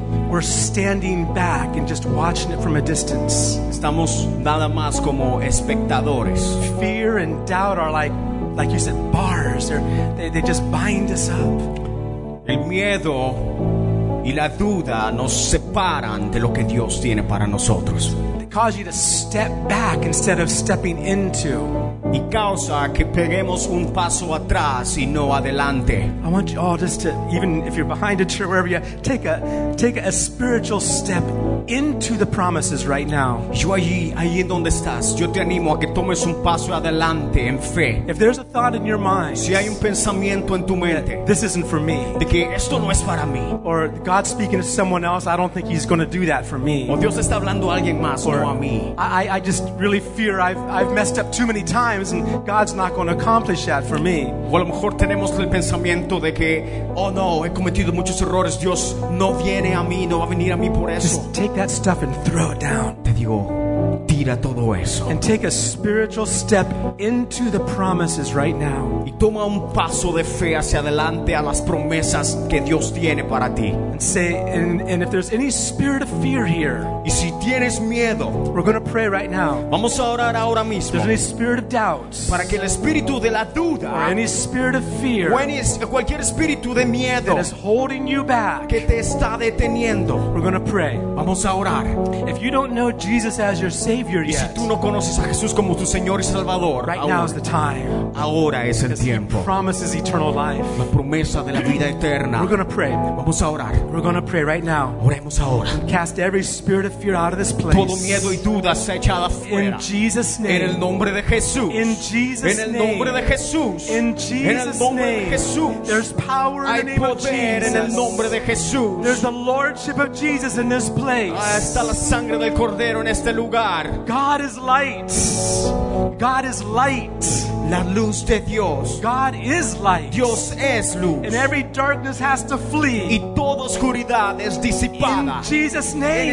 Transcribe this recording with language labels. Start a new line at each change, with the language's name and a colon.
English: we're standing back and just watching it from a distance.
Spanish: Estamos nada más como espectadores.
English: Fear and doubt are like you said, bars. They just bind us up.
Spanish: El miedo y la duda nos separan de lo que Dios tiene para nosotros.
English: They cause you to step back instead of stepping into.
Spanish: Y causa que peguemos un paso atrás y no adelante.
English: I want you all just to, even if you're behind a chair, wherever you are, take a spiritual step into the promises right now.
Spanish: Yo allí donde estás, yo te animo a que tomes un paso adelante en fe.
English: If there's a thought in your mind,
Spanish: si hay un pensamiento en tu mente,
English: this isn't for me,
Spanish: de que esto no es para mí,
English: or God's speaking to someone else, I don't think he's going to do that for me,
Spanish: o Dios está hablando a alguien más,
English: or
Spanish: no a mí,
English: I just really fear I've messed up too many times and God's not going to accomplish that for me,
Spanish: o a lo mejor tenemos el pensamiento de que, oh no, he cometido muchos errores, Dios no viene a mí, no va a venir a mí por eso.
English: Take that stuff and throw it down.
Spanish: Te digo, Tira todo eso.
English: And take a spiritual step into the promises right now.
Spanish: Y toma un paso de fe hacia adelante a las promesas que Dios tiene para ti.
English: And say, and if there's any spirit of fear here,
Spanish: y si tienes miedo,
English: we're going to pray right now.
Spanish: Vamos a orar ahora mismo.
English: If there's any spirit of doubts,
Spanish: para que el espíritu de la duda,
English: or any spirit of fear,
Spanish: o cualquier espíritu de miedo,
English: that is holding you back,
Spanish: que te está deteniendo,
English: we're going to pray.
Spanish: Vamos a orar.
English: If you don't know Jesus as your Savior yet,
Spanish: y si tú no conoces a Jesús como tu Señor y Salvador,
English: right now is the time.
Spanish: Ahora es el tiempo.
English: He promises eternal life.
Spanish: La promesa de la vida eterna.
English: We're going to pray.
Spanish: Vamos a orar.
English: We're going to pray right now.
Spanish: Oremos ahora.
English: Cast every spirit of fear out of this place.
Spanish: Todo miedo y duda se echa afuera.
English: In Jesus' name.
Spanish: En el nombre de Jesús.
English: In Jesus' name.
Spanish: En el nombre de Jesús.
English: In Jesus' name.
Spanish: En el nombre de Jesús.
English: There's power in the name of Jesus.
Spanish: Hay poder en el nombre de Jesús.
English: There's the lordship of Jesus in this place.
Spanish: Está la sangre del cordero en este lugar.
English: God is light. God is light.
Spanish: La luz de Dios.
English: God is light.
Spanish: Dios es luz.
English: And every darkness has to flee.
Spanish: Y toda oscuridad es disipada.
English: In Jesus' name.